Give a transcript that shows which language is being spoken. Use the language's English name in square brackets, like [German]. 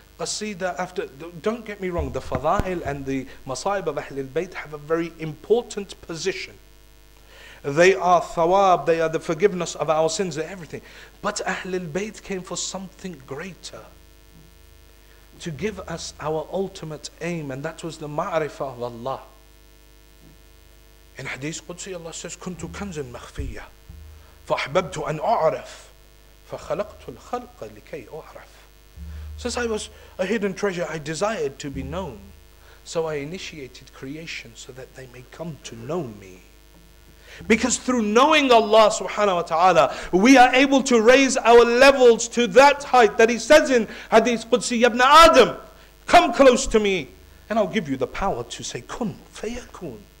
[English] qasida after, don't get me wrong, the fada'il and the masaib of Ahlul Bayt have a very important position. They are thawab, they are the forgiveness of our sins, they're everything. But Ahlul Bayt came for something greater, to give us our ultimate aim, and that was the ma'rifah of Allah. In Hadith Qudsi, Allah says, [Arabic] كنت كنزا مخفيا فأحببت أن أعرف فخلقت الخلق لكي أعرف. [English] Since I was a hidden treasure, I desired to be known. So I initiated creation so that they may come to know me. Because through knowing Allah subhanahu wa ta'ala, we are able to raise our levels to that height that He says in Hadith Qudsi, Yabna Adam, come close to me and I'll give you the power to say, Kun fayakun.